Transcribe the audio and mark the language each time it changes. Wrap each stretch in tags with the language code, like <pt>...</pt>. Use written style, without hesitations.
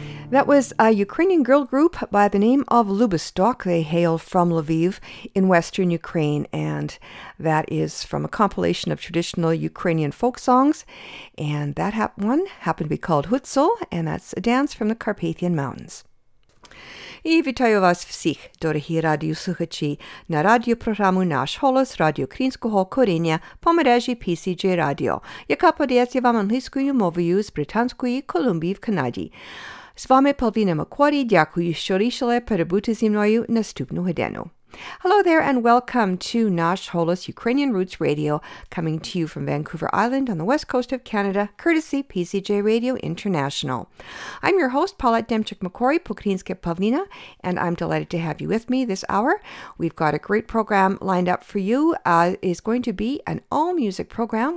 <en>That was a Ukrainian girl group by the name of Lubostok. They hail from Lviv in western Ukraine, and that is from a compilation of traditional Ukrainian folk songs, and that one happened to be called Hutsul, and that's a dance from the Carpathian Mountains.</en> <uk>І вітаю вас всіх, дорогі радіослухачі, на радіопрограму «Наш голос» радіо Українського коріння по мережі PCJ Radio, яка подається вам англійською мовою з Британської Колумбії в Канаді. З вами Павліна Макварі, дякую, що рішили перебути зі мною наступну годину.</uk> <en>Hello there and welcome to Nash Holos Ukrainian Roots Radio, coming to you from Vancouver Island on the west coast of Canada, courtesy PCJ Radio International. I'm your host, Paulette Demchuk-Makori, Pokrinske Pavlina, and I'm delighted to have you with me this hour. We've got a great program lined up for you. It's going to be an all-music program.</en>